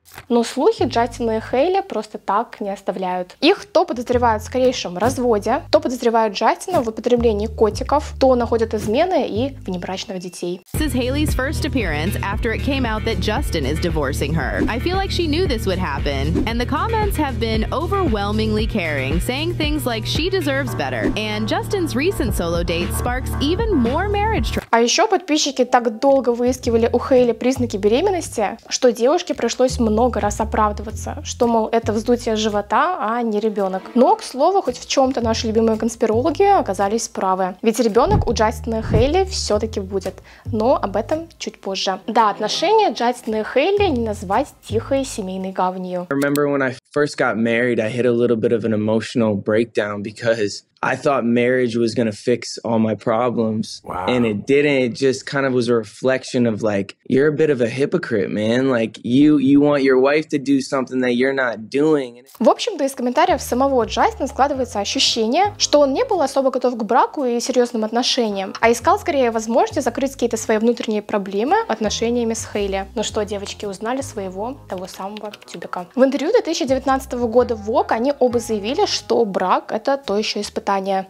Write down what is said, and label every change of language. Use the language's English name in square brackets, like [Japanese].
[Russian] Но слухи Джастина и Хейли просто так не оставляют. Их то подозревают в скорейшем разводе, то подозревают Джастина в употреблении котиков, то находят измены и внебрачных детей. [English] This is Hailey's first appearance after it came out that Justin is divorcing her. I feel like she knew this would happen. And the comments have been overwhelmingly caring, saying things like she deserves better. And Justin's recent solo date sparks even more marriage trouble. [Russian] А еще подписчики так долго выискивали у Хейли признаки беременности, что девушке пришлось много раз оправдываться, что, мол, это вздутие живота, а не ребенок. Но, к слову, хоть в чем-то наши любимые конспирологи оказались правы. Ведь ребенок у Джастина и Хейли все-таки будет. Но об этом чуть позже. Да, отношения Джастина и Хейли не назвать тихой семейной гаванью. [English] I remember when I first got married, I hit a little bit of an emotional breakdown because I thought marriage was gonna fix all my problems. Wow. And it didn't. It just kind of was a reflection of like, you're a bit of a hypocrite, man. Like, you want your wife to do something that you're not doing. [Russian] В общем-то, из комментариев самого Джастина складывается ощущение, что он не был особо готов к браку и серьезным отношениям, а искал скорее возможности закрыть какие-то свои внутренние проблемы отношениями с Хейли. Ну что, девочки, узнали своего того самого тюбика. В интервью 2019 года Vogue они оба заявили, что брак — это то еще испытание.